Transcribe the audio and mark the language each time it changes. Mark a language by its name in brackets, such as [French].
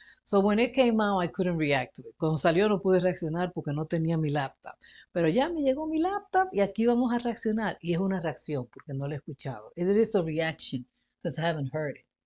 [English] So when it came out, I couldn't react to it. [Spanish] Cuando salió, no pude reaccionar porque no tenía mi laptop. Pero ya me llegó mi laptop y aquí vamos a reaccionar. Y es una reacción porque no la he escuchado. [English] It is a reaction because I haven't heard it.